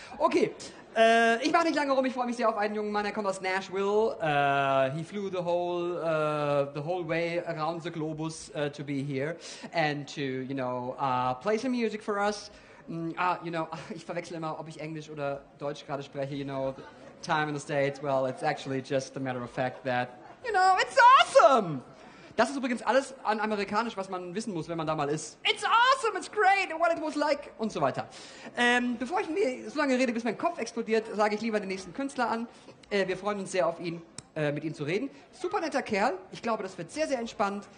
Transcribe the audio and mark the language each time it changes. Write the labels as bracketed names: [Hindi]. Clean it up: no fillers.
[German] Okay, ich mache nicht lange rum, ich freue mich sehr auf einen jungen Mann, er kommt aus Nashville. [English] He flew the whole way around the globus to be here and to, you know, play some music for us. [German] Ich verwechsel immer, ob ich Englisch oder Deutsch gerade spreche, [English] you know, the time in the States, well, it's actually just a matter of fact that, you know, it's awesome! [German] Das ist übrigens alles an Amerikanisch, was man wissen muss, wenn man da mal ist. [English] It's awesome, it's great, what it was like, [German] und so weiter. Bevor ich mir so lange rede, bis mein Kopf explodiert, sage ich lieber den nächsten Künstler an. Wir freuen uns sehr auf ihn, mit ihm zu reden. Super netter Kerl, ich glaube, das wird sehr, sehr entspannt.